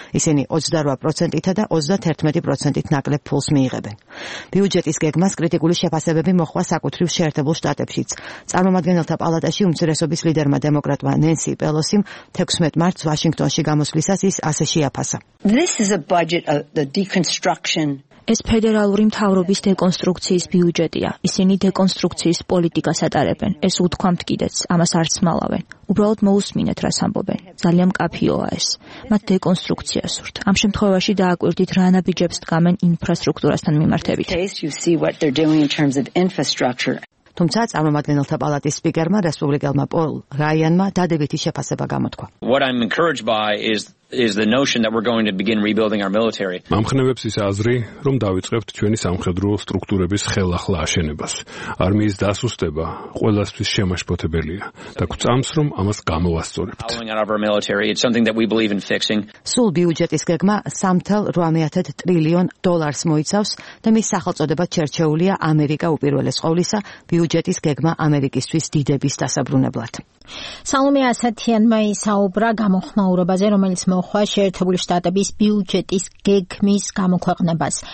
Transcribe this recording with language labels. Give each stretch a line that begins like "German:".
Georgian: ისინი 28%-ით და 31%-ით ნაკლებ ფულს მიიღებენ. ბიუჯეტის გეგმას კრიტიკული შეფასებები მოჰყვა საკუთრივ შეერთებულ შტატებშიც. წარმომადგენელთა პალატაში უმცირესობის ლიდერმა დემოკრატმა ნენსი პელოსიმ 16 მარტს ვაშინგტონში გამოსვლისას ის ასე შეაფასა:
English: This is a budget of the deconstruction.
Georgian: ეს ფედერალური მთავრობის დეკონსტრუქციის ბიუჯეტია. ისინი დეკონსტრუქციის პოლიტიკას ატარებენ. ეს უთქვამთ კიდეც, ამას არც მალავენ. უბრალოდ მოусმინეთ, რას ამბობენ. ძალიან კაფეოა ეს. მათ დეკონსტრუქცია სურთ. ამ შემთხვევაში დააკვირდით რა ნაბიჯებს დგამენ ინფრასტრუქტურასთან მიმართებით. თუმცა წარმომადგენელთა პალატის სპიკერმა რესპუბლიკელმა პოლ რაიანმა დადებითი შეფასება გამოთქვა.
English: Is the notion that we're going to begin rebuilding our military.
Georgian: მამხნევებს ის აზრი, რომ დაიწყებთ ჩვენი სამხედრო სტრუქტურების ხელახლა აშენებას. არმიის დასუსტება ყველასთვის შემაშფოთებელია და გვწამს, რომ ამას გამოვასწორებთ.
English: It's something that we believe in fixing.
Georgian: სულ ბიუჯეტის გეგმა 3.8 ტრილიონ დოლარს მოიცავს და მის სახელწოდებას ჩერჩეულია ამერიკა უპირველეს ყოვლისა ბიუჯეტის გეგმა ამერიკისთვის დიდების დასაბრუნებლად. სალომე ასათიან მაისაუბრა გამოხმაურობაზე, რომელიც მოხვა შეერთებული შტატების ბიუჯეტის გეგმის გამოქვეყნებას.